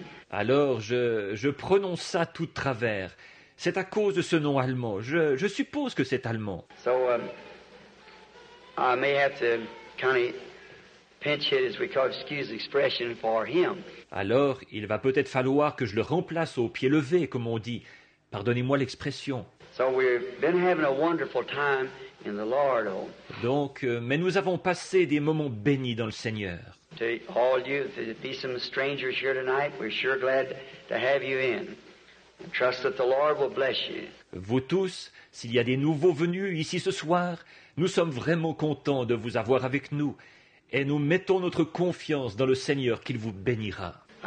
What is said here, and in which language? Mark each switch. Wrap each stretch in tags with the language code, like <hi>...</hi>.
<fr>Alors, je prononce ça tout de travers. C'est à cause de ce nom allemand. Je suppose que c'est allemand.</fr> <en>So, I may have to kind of pinch hit, as we call it, excuse expression for him.</en> <fr>Alors, il va peut-être falloir que je le remplace au pied levé, comme on dit. Pardonnez-moi l'expression.</fr> <en>So we've been having a wonderful time in the Lord. Oh.</en> <fr>Donc, mais nous avons passé des moments bénis dans le Seigneur.</fr> <en>To all you, to be some strangers here tonight, we're sure glad to have you in. And trust that the Lord will bless you.</en> <fr>Vous tous, s'il y a des nouveaux venus ici ce soir, nous sommes vraiment contents de vous avoir avec nous. Et nous mettons notre confiance dans le Seigneur qu'il vous bénira.</fr>